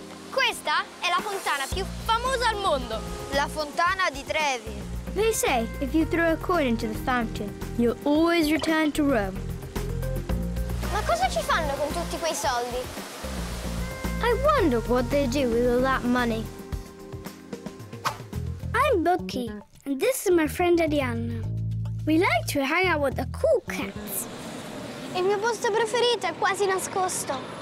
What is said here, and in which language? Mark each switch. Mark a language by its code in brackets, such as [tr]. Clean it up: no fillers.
[it] Questa è la fontana più famosa al mondo, la Fontana di Trevi. [en] They say if you throw a coin into the fountain, you'll always return to Rome. [it] Ma cosa ci fanno con tutti quei soldi? [en] I wonder what they do with all that money. I'm Bucky, and this is my friend Arianna. We like to hang out with the cool cats. [it] Il mio posto preferito è quasi nascosto.